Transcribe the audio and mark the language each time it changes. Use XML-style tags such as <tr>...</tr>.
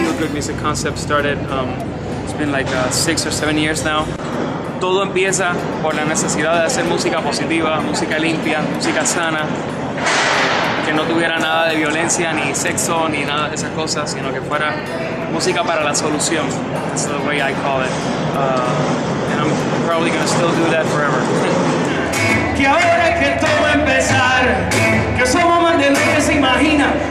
<en>Music concept started, it's been like 6 or 7 years now.</en> <es>Todo empieza por la necesidad de hacer música positiva, música limpia, música sana, que no tuviera nada de violencia, ni sexo, ni nada de esas cosas, sino que fuera música para la solución.</es> <en>That's the way I call it. And I'm probably gonna still do that forever.</en> <es>Que ahora que todo va a empezar, que somos más de lo que se imagina.</es>